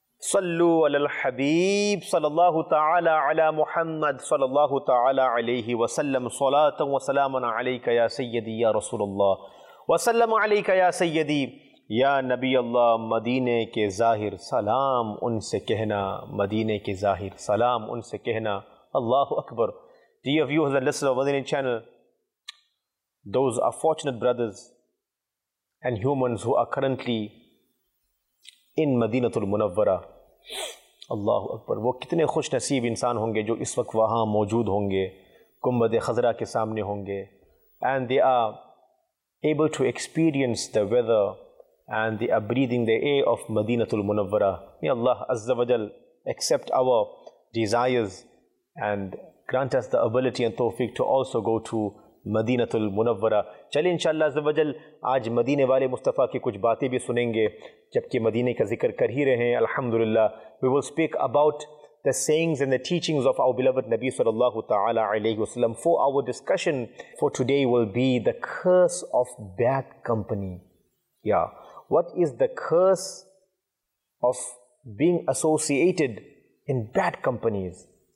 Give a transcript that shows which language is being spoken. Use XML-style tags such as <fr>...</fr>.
<ar>صلو علی الحبیب صلی اللہ تعالی علی محمد صلی اللہ تعالی علیہ وسلم صلاۃ و سلام علیک یا سیدی یا رسول اللہ وسلم علیک یا سیدی یا نبی اللہ</ar> <ur>مدینے کے ظاہر سلام ان سے کہنا</ur> <ar>مدینے کے ظاہر سلام ان سے کہنا اللہ اکبر.</ar> <en>Dear viewers and listeners of Madinah channel, those are fortunate brothers and humans who are currently in Madinatul Munawwara.</en> <ur>اللہ اکبر. وہ کتنے خوش نصیب انسان ہوں گے جو اس وقت وہاں موجود ہوں گے, گنبد خضرا کے سامنے ہوں گے.</ur> <en>And they are able to experience the weather and they are breathing the air of Madinatul Munawwara. May Allah Azza wa Jal accept our desires and grant us the ability and tawfiq to also go to Madinatul Munawwara.</en> <ur>چلیں انشاءاللہ عز و جل آج مدینے والے مصطفیٰ کی کچھ باتیں بھی سنیں گے, جبکہ مدینے کا ذکر کر ہی رہے ہیں الحمدللہ.</ur> <en>We will speak about the sayings and the teachings of our beloved Nabi sallallahu ta'ala alayhi wa sallam. For our discussion for today will be the curse of bad company. Yeah. What is the curse of being associated in bad companies?</en>